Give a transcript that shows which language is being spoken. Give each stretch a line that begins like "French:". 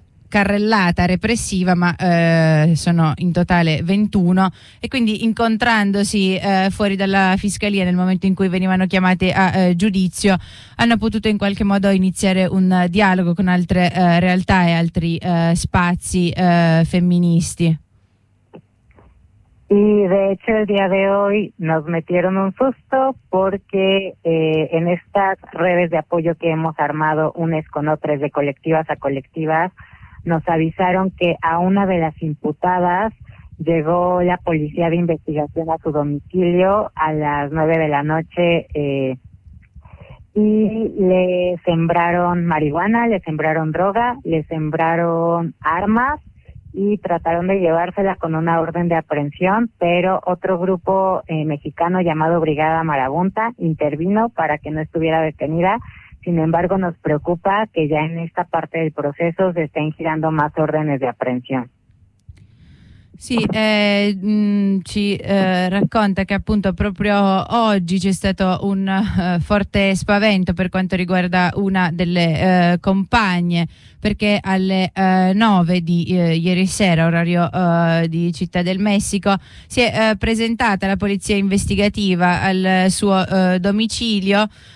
Italian: carrellata repressiva, ma sono in totale 21, e quindi incontrandosi fuori dalla fiscalia nel momento in cui venivano chiamati a giudizio, hanno potuto in qualche modo iniziare un dialogo con altre realtà e altri spazi femministi.
Spanish: Y de hecho el día de hoy nos metieron un susto porque en estas redes de apoyo que hemos armado unes con otras de colectivas a colectivas, nos avisaron que a una de las imputadas llegó la policía de investigación a su domicilio a las 9 de la noche y le sembraron marihuana, le sembraron droga, le sembraron armas y trataron de llevársela con una orden de aprehensión, pero otro grupo mexicano llamado Brigada Marabunta intervino para que no estuviera detenida. Sin embargo, nos preocupa que ya en esta parte del proceso se estén girando más órdenes de aprehensión.
Italian: Sí, ci racconta che appunto proprio oggi c'è stato un forte spavento per quanto riguarda una delle compagne, perché alle 9 di ieri sera, orario di Città del Messico, si è presentata la polizia investigativa al suo domicilio,